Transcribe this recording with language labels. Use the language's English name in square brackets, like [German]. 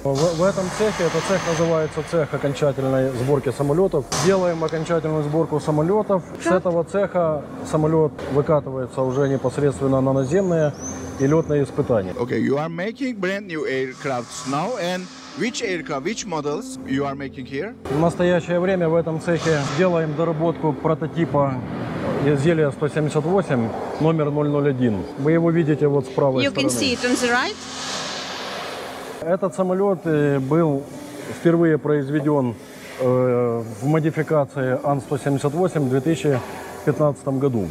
[Russian] В этом цехе, это цех называется цех окончательной сборки самолетов. Делаем окончательную сборку самолетов. С этого цеха самолет выкатывается уже непосредственно на наземные и летные испытания. [English] Okay, you are making brand new aircrafts now and which aircraft, which models you are making here? [Russian] В настоящее время в этом цехе делаем доработку прототипа изделия 178 номер 001. Вы его видите вот с правой стороны. [English] You can see it on the right. [Russian] Этот самолет был впервые произведен в модификации АН-178 в 2015 году.